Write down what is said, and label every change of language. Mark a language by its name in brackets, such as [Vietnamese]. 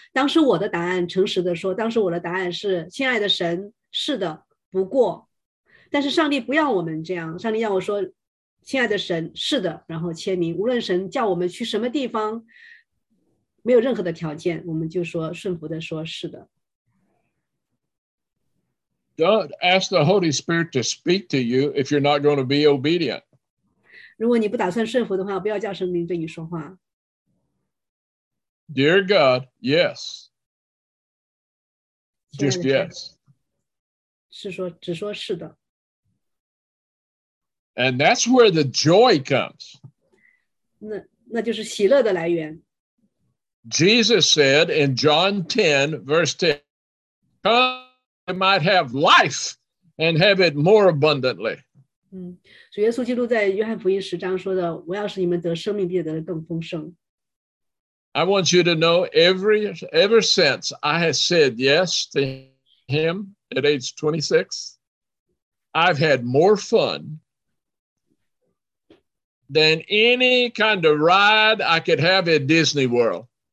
[Chinese] 当时我的答案，诚实的说，当时我的答案是，亲爱的神，是的，不过。但是上帝不要我们这样，上帝要我说，亲爱的神，是的，然后签名。无论神叫我们去什么地方，没有任何的条件，我们就说顺服的说是的。 [English] Don't ask the Holy Spirit to speak to you if you're not going to be obedient. [Chinese] 如果你不打算顺服的话，不要叫圣灵对你说话。 [English] Dear God, yes. Just yes. [Chinese] 只说是的。 [English] And that's where the joy comes. [Chinese] 那就是喜乐的来源。 [English] Jesus said in John 10, verse 10, come, I might have life and have it more abundantly. [Chinese] 主耶稣基督在约翰福音十章说的，我要使你们得生命，并得更丰盛。 [English] I want you to know ever since I have said yes to him at age 26, I've had more fun than any kind of ride I could have at Disney World.